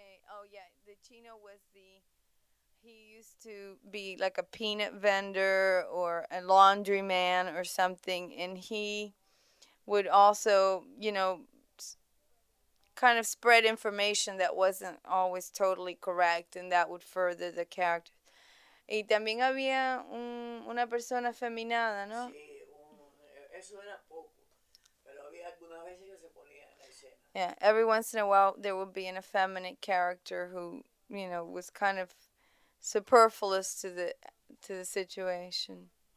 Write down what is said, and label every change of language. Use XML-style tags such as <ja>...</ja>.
<en>Oh, yeah, the Chino was the He used to be like a peanut vendor or a laundryman or something, and he would also, you know, kind of spread information that wasn't always totally correct, and that would further the character.</en> <es>Y también había una persona feminada, ¿no? Sí, eso era poco, pero había algunas veces que se ponía en la escena.</es> <en>Yeah, every once in a while there would be an effeminate character who, you know, was kind of superfluous to the situation.</en>